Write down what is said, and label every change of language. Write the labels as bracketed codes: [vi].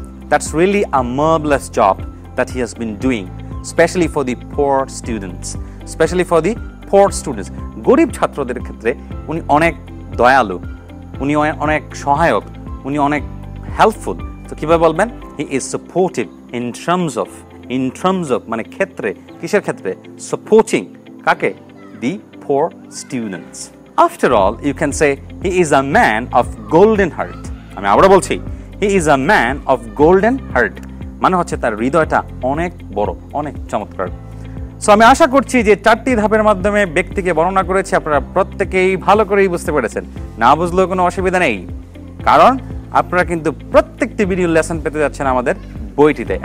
[en] that's really a marvellous job that he has been doing, specially for the poor students, specially for the poor students, [bn] গরিব ছাত্রদের ক্ষেত্রে উনি অনেক দয়ালু, উনি অনেক সহায়ক, উনি অনেক হেল্পফুল। তো কীভাবে বলবেন? [en] he is supportive, in terms of [bn] মানে ক্ষেত্রে কিসের ক্ষেত্রে [en] supporting কাকে the poor students. After all, you can say he is a man of golden heart. [bn] আমি আবারও বলছি [en] he is a man of golden heart. [bn] মানে হচ্ছে তার হৃদয়টা অনেক বড় অনেক চমৎকার. সো আমি আশা করছি যে চারটি ধাপের মাধ্যমে ব্যক্তিকে বর্ণনা করেছি আপনারা প্রত্যেকেই ভালো করেই বুঝতে পেরেছেন. না বুঝলেও কোনো অসুবিধা নেই, কারণ আপনারা কিন্তু প্রত্যেকটি ভিডিও লেসন পেতে যাচ্ছেন আমাদের বইটিতে.